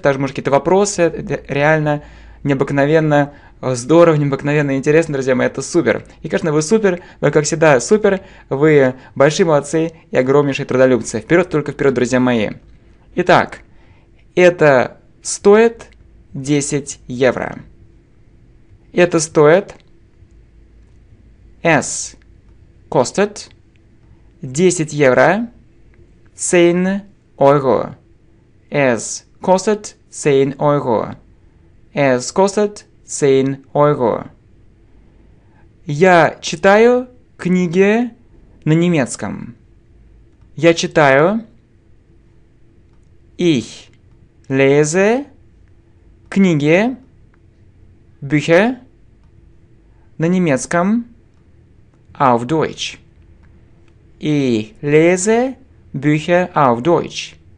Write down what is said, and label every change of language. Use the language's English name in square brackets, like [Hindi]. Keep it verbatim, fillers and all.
[Russian] Также, может, какие-то вопросы. Это реально необыкновенно здорово, необыкновенно интересно, друзья мои. Это супер. И, конечно, вы супер. Вы, как всегда, супер. Вы большие молодцы и огромнейшие трудолюбцы. Вперед, только вперед, друзья мои. Итак, это стоит десять евро. Это стоит. [German] Es kostet [Russian] десять евро. [German] zehn Euro. Es kostet zehn Euro. Es kostet zehn Euro. [Russian] Я читаю книги на немецком. Я читаю. [German] Ich lese [Russian] книги, [German] Bücher [Russian] на немецком, [German] auf Deutsch. Ich lese Bücher auf Deutsch.